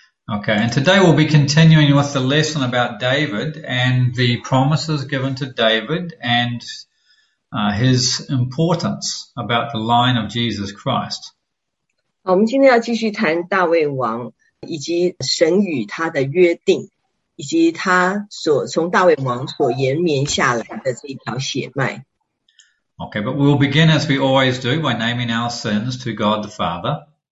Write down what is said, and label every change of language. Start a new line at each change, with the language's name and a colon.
English: Okay, and today we'll be continuing with the lesson about David and the promises given to David and his importance about the line of Jesus Christ.
Chinese: 好，我们今天要继续谈大卫王，以及神与他的约定，以及他所从大卫王所延绵下来的这一条血脉。
English: Okay, but we'll begin as we always do by naming our sins to God the Father.